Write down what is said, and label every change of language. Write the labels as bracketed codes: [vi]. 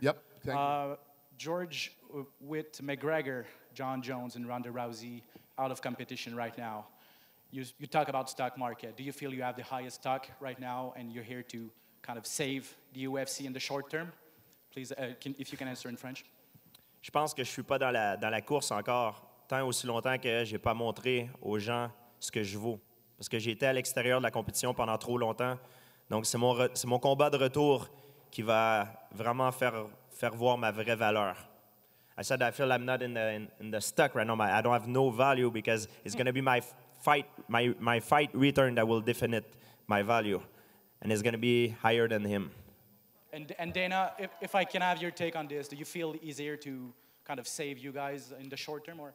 [en] Yep. Thank you. George, with McGregor, John Jones, and Ronda Rousey out of competition right now, you talk about stock market. Do you feel you have the highest stock right now and you're here to kind of save the UFC in the short term? Please, if you can answer in French. [fr] Je pense que je ne suis pas dans la course encore tant aussi longtemps que je n'ai pas montré aux gens ce que je vaux. Parce que j'ai été à l'extérieur de la compétition pendant trop longtemps. Donc, c'est mon combat de retour qui va vraiment faire voir ma vraie valeur. [en] I said I feel I'm not in the stock right now. I don't have no value because it's going to be my fight, my fight return that will definite my value, and it's going to be higher than him. And Dana, if I can have your take on this, do you feel easier to kind of save you guys in the short term? Or?